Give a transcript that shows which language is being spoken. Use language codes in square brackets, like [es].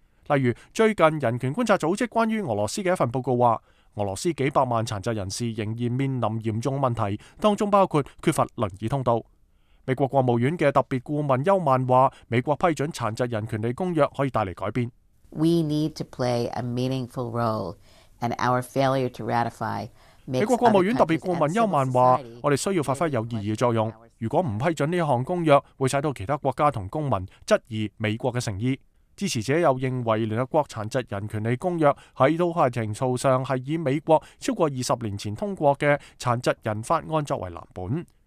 [zh] 例如，最近人权观察组织关于俄罗斯嘅一份报告话，俄罗斯几百万残疾人士仍然面临严重问题，当中包括缺乏轮椅通道。美国国务院的特别顾问邱曼说，美国批准残疾人权利公约可以带来改变。 [en] We need to play a meaningful role, and our failure to ratify. [zh] 美国国务院特别顾问邱曼说，我们需要发挥有意义的作用。如果不批准这项公约，会使到其他国家和公民质疑美国的诚意。支持者又认为，联合国残疾人权利公约在到法庭诉上是以美国超过20年前通过的残疾人法案作为蓝本。